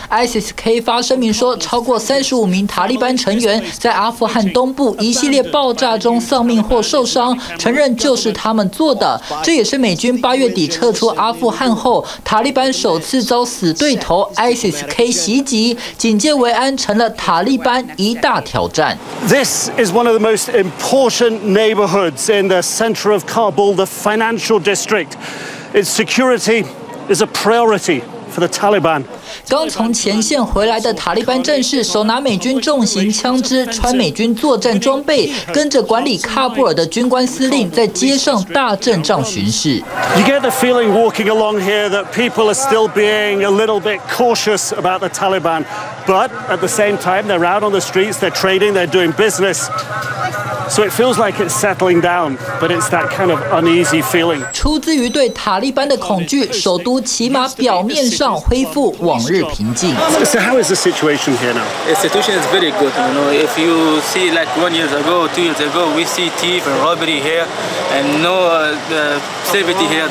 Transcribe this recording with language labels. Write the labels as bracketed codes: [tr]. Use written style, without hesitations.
[zh] ISIS-K 发声明说，超过35名塔利班成员在阿富汗东部一系列爆炸中丧命或受伤，承认就是他们做的。这也是美军八月底撤出阿富汗后，塔利班首次遭死对头 ISIS-K 袭击，警戒维安成了塔利班一大挑战。 [en] This is one of the most important neighborhoods in the center of Kabul, the financial district. Its security. Is a priority for the Taliban. [zh] 刚从前线回来的塔利班战士手拿美军重型枪支，穿美军作战装备，跟着管理喀布尔的军官司令在街上大阵仗巡视。 [en] You get the feeling walking along here that people are still being a little bit cautious about the Taliban, but at the same time they're out on the streets, they're trading, they're doing business. So it feels like it's settling down, but it's that kind of uneasy feeling. [zh] 出自于对塔利班的恐惧，首都起码表面上恢复往日平静。 [en] So how is the situation here now? The situation is very good. You know, if you see like 1 year ago, 2 years ago, we see thief and robbery here, and no safety here.